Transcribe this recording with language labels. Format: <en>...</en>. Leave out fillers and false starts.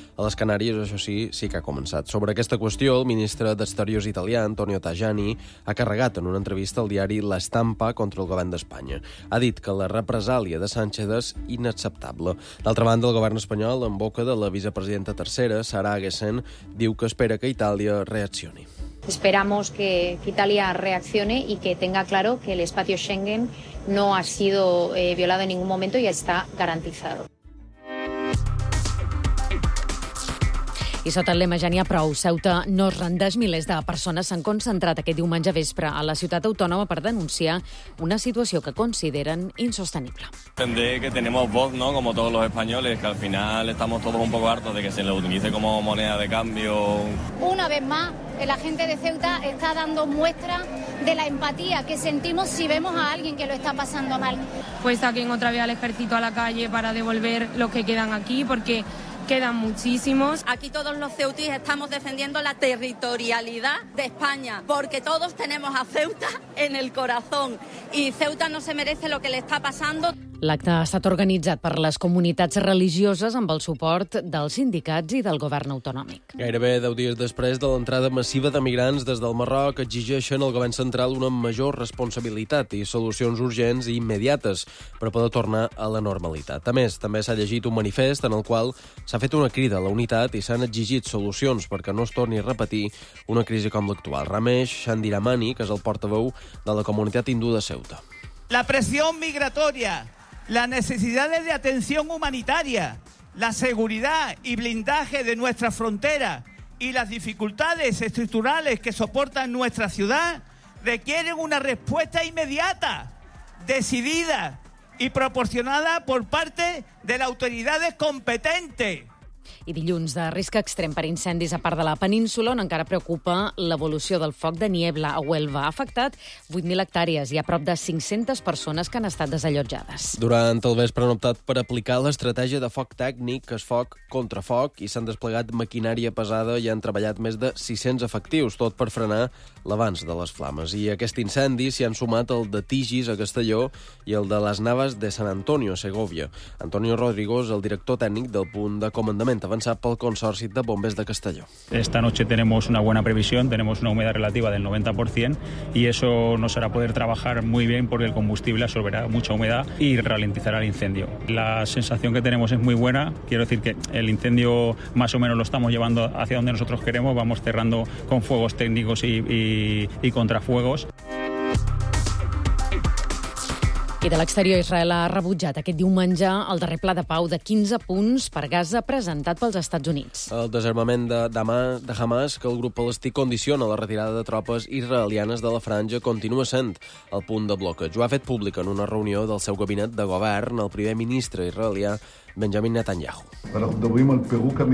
<ca>A les Canàries, això sí, sí que ha començat. Sobre aquesta qüestió, el ministre d'Exteriors italià, Antonio Tajani, ha carregat en una entrevista al diari La Stampa contra el govern d'Espanya. Ha dit que la represàlia de Sánchez és inacceptable. D'altra banda, el govern espanyol, en boca de la vicepresidenta tercera, Sara Hagesen, diu que espera que Itàlia reaccioni.</ca> <es>Esperamos que Italia reaccione y que tenga claro que el espacio Schengen no ha sido violado en ningún momento y está garantizado.</es> <ca>I sota el lema ja n'hi ha prou, Ceuta no es rendeix. Milers de persones s'han concentrat aquest diumenge vespre a la ciutat autònoma per denunciar una situació que consideren insostenible.</ca> <es>Entendé que</es> <ca>tenim</ca> <es>voz, ¿no?, como todos los españoles, que al final estamos todos un poco hartos de que se lo utilice como moneda de cambio. Una vez más, la gente de Ceuta está dando muestra de la empatía que sentimos si vemos a alguien que lo está pasando mal. Pues saquen otra vez al ejército a la calle para devolver los que quedan aquí, porque quedan muchísimos. Aquí todos los ceutis estamos defendiendo la territorialidad de España, porque todos tenemos a Ceuta en el corazón y Ceuta no se merece lo que le está pasando.</es> <ca>L'acte ha estat organitzat per les comunitats religioses amb el suport dels sindicats i del govern autonòmic. Gairebé 10 dies després de l'entrada massiva de migrants des del Marroc, exigeixen al govern central una major responsabilitat i solucions urgents i immediates per poder tornar a la normalitat. A més, també s'ha llegit un manifest en el qual s'ha fet una crida a la unitat i s'han exigit solucions perquè no es torni a repetir una crisi com l'actual. Ramesh Shandiramani, que és el portaveu de la comunitat hindú de Ceuta.</ca> <es>La presión migratoria, las necesidades de atención humanitaria, la seguridad y blindaje de nuestra frontera y las dificultades estructurales que soportan nuestra ciudad requieren una respuesta inmediata, decidida y proporcionada por parte de las autoridades competentes.</es> <ca>I dilluns, de risc extrem per incendis a part de la península, on encara preocupa l'evolució del foc de niebla a Huelva. Ha afectat 8.000 hectàrees i a prop de 500 persones que han estat desallotjades. Durant el vespre han optat per aplicar l'estratègia de foc tècnic, que és foc contra foc, i s'han desplegat maquinària pesada i han treballat més de 600 efectius, tot per frenar l'avanç de les flames. I aquest incendi s'hi han sumat el de Tigis, a Castelló, i el de les Navas de San Antonio, a Segovia. Antonio Rodrigo és el director tècnic del punt de comandament avançat pel Consorci de Bombers de Castelló.</ca> <es>Esta noche tenemos una buena previsión, tenemos una humedad relativa del 90% y eso nos hará poder trabajar muy bien porque el combustible absorberá mucha humedad y ralentizará el incendio. La sensación que tenemos es muy buena, quiero decir que el incendio más o menos lo estamos llevando hacia donde nosotros queremos, vamos cerrando con fuegos técnicos y contrafuegos.</es> <ca>I de l'exterior, Israel ha rebutjat aquest diumenge el darrer pla de pau de 15 punts per Gaza presentat pels Estats Units. El desarmament de Hamas, que el grup palestí condiciona la retirada de tropes israelianes de la franja, continua sent el punt de bloqueig. Ho ha fet públic en una reunió del seu gabinet de govern el primer ministre israelià Benjamin Netanyahu.</ca>